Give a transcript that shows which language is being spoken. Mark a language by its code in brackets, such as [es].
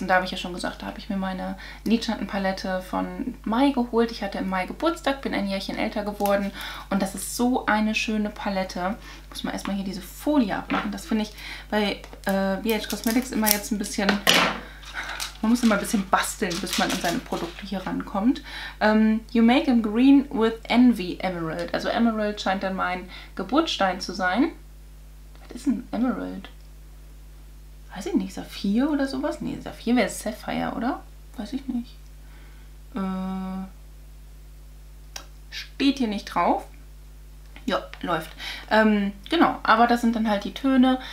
[de] Und da habe ich ja schon gesagt, da habe ich mir meine Lidschattenpalette von Mai geholt. Ich hatte im Mai Geburtstag, bin ein Jährchen älter geworden. Und das ist so eine schöne Palette. Ich muss mal erstmal hier diese Folie abmachen. Das finde ich bei BH Cosmetics immer jetzt ein bisschen... Man muss immer ein bisschen basteln, bis man an seine Produkte hier rankommt. [en] You make them green with Envy Emerald. [de] Also Emerald scheint dann mein Geburtsstein zu sein. Was ist ein Emerald? Weiß ich nicht, Saphir oder sowas? Nee, Saphir wäre Sapphire, oder? Weiß ich nicht. Steht hier nicht drauf. Ja, läuft. Genau, aber das sind dann halt die Töne.